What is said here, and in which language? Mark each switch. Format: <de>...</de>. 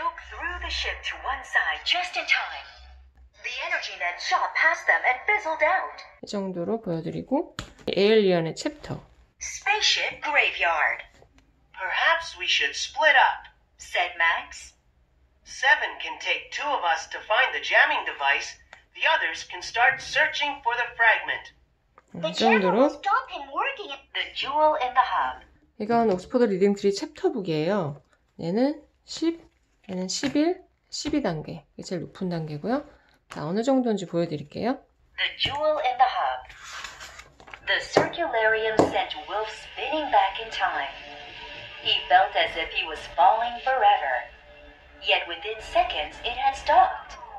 <en>Nook threw the ship to one side just in time. The energy net shot past them and fizzled out.</en> <ko>이 정도로 보여드리고 에일리언의 챕터.</ko> <en>Spaceship graveyard. Perhaps we should split up, said Max. Seven can take two of us to find the jamming device. The others can start searching for the fragment.</en> <ko>이 정도로.</ko> <en>The jammer will stop him working at the jewel in the hub.</en> <ko>이건 옥스퍼드 리딩 트리 챕터북이에요. 얘는 10, 얘는 11, 12단계. 이게 제일 높은 단계고요. 자, 어느 정도인지 보여드릴게요.</ko> <en>The jewel in the hub. The circularium sent Wolf spinning back in time. He felt as if he was falling forever. Yet within seconds it had stopped.</en>